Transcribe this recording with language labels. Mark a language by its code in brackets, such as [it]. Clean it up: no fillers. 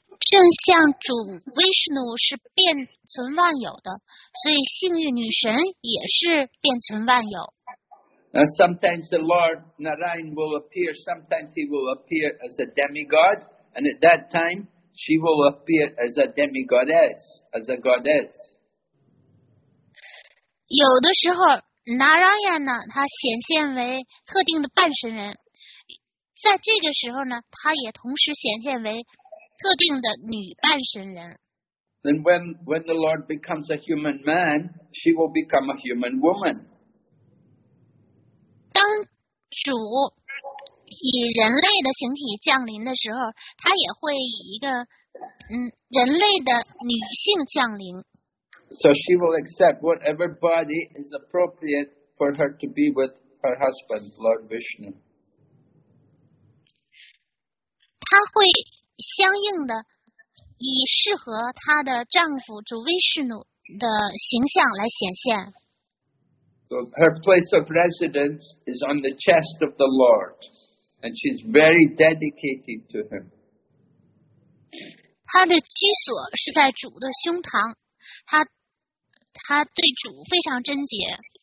[zh] 正像主 Vishnu 是遍存万有的，所以幸运女神也是遍存万有。 [en] Now sometimes the Lord Narayan will appear, sometimes he will appear as a demigod, and at that time she will appear as a demigoddess, as a goddess. [zh] 有的时候Narayan 呢，他显现为特定的半神人，在这个时候呢，他也同时显现为特定的女半神人。 [en] Then when the Lord becomes a human man, she will become a human woman. [zh] 当主以人类的形体降临的时候，他也会以一个人类的女性降临。 [en] So she will accept whatever body is appropriate for her to be with her husband, Lord Vishnu. [zh] 她会相应的以适合她的丈夫主 Vishnu 的形象来显现。 [en] So her place of residence is on the chest of the Lord, and she's very dedicated to him. [zh] 她的居所是在主的胸膛，她对主非常贞洁。